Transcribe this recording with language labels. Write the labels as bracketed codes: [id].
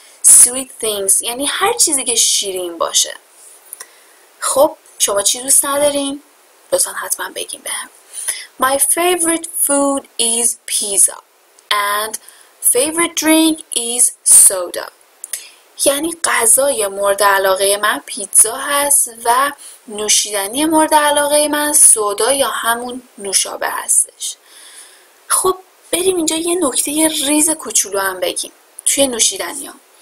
[fa] سویت ثینگز، یعنی هر چیزی که شیرین باشه. خب شما چی دوست ندارین؟ لطفا حتما بگیم بهم. [en] My favorite food is pizza and favorite drink is soda. [fa] یعنی غذای مورد علاقه من پیتزا هست و نوشیدنی مورد علاقه من سودا یا همون نوشابه هستش. خب بریم اینجا یه نکته ریز کوچولو هم بگیم توی نوشیدنی ها.